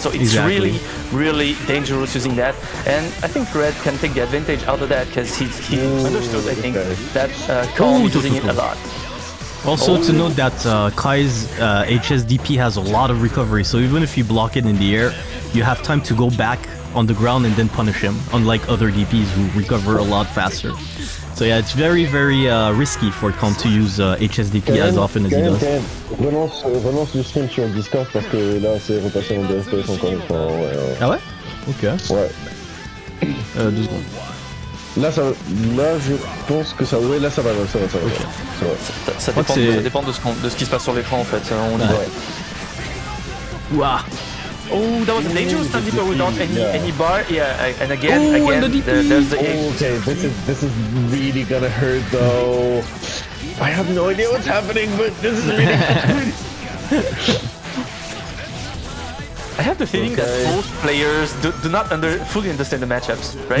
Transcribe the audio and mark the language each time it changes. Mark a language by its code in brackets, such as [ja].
[en] So it's really, really dangerous using that. And I think Red can take the advantage out of that because he understood that Calm is using it a lot. Also, to note that Kai's HSDP has a lot of recovery, so even if you block it in the air, you have time to go back on the ground and then punish him, unlike other DPs who recover a lot faster. So yeah, it's very, very risky for Kong to use HSDP as often as he does. [fr] Relance le stream sur Discord parce que là, c'est repassé en DFS encore une fois. Ah ouais? Ok. Ouais. Deux secondes. Là, je pense que ça va. Okay. Ça dépend de ce qui se passe sur l'écran, en fait. [en] Wow. Oh, that was a dangerous stun dipper without any bar. Yeah, and again, and the DP. There's the H. Okay, this is really gonna hurt, though. I have no idea what's happening, but this is really I have the feeling that both players do not fully understand the matchups, right?